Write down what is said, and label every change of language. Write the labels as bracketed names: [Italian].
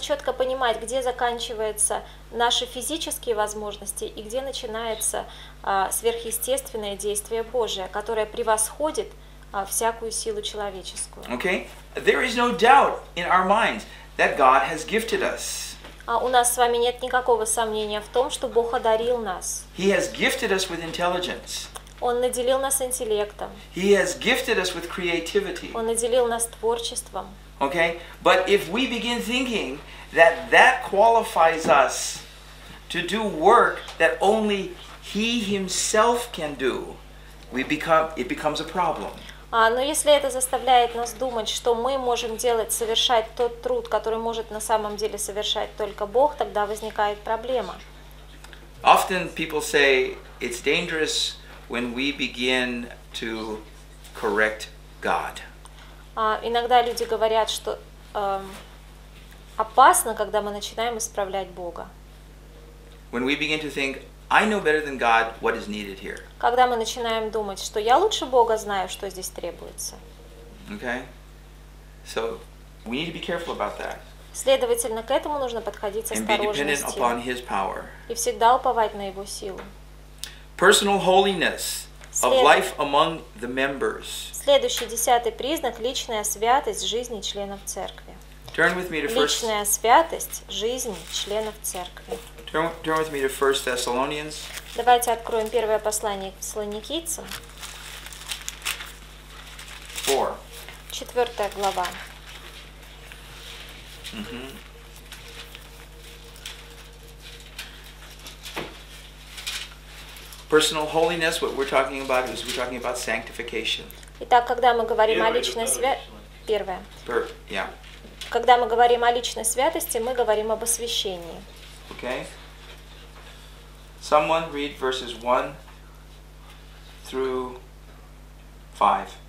[Russian] четко понимать, где заканчиваются наши физические возможности и где начинается сверхъестественное действие Божие, которое превосходит всякую силу человеческую. Okay? [English] There is no doubt in our minds that God has gifted us. [Russian] У нас с вами нет никакого сомнения в том, что Бог одарил нас. [English] He has gifted us with intelligence. [Russian] Он наделил нас интеллектом. [English] He has gifted us with creativity. [Russian] Он наделил нас творчеством. Okay? [English] But if we begin thinking that that qualifies us to do work that only He Himself can do, it becomes a problem. [Russian] Но если это заставляет нас думать, что мы можем делать, совершать тот труд, который может на самом деле совершать только Бог, тогда возникает проблема. [English] Often people say it's dangerous when we begin to correct God. [Russian] Иногда люди говорят, что опасно, когда мы начинаем исправлять Бога. [English] When we begin to think, I know better than God what is needed here. [Russian] Когда мы начинаем думать, что я лучше Бога знаю, что здесь требуется. Okay? [English] So, we need to be careful about that. [Russian] Следовательно, к этому нужно подходить с осторожностью. [English] And be dependent upon His power. [Russian] И всегда уповать на Его силу. [English] Personal holiness of life among the members. [Russian] Следующий, 10-й признак – личная святость жизни членов церкви. [English] Turn with me to [Russian] личная святость жизни членов церкви. [English] Turn with me to 1 Thessalonians. [Russian] Давайте откроем первое послание к Фессалоникийцам. [English] 4. [Russian] 4 глава. [English] Personal holiness, what we're talking about is we're talking about sanctification. [Russian] Итак, когда мы говорим о личной святости, первое. Yeah. Когда мы говорим о личной святости, мы говорим об освящении. [English] Okay. Someone read verses 1-5.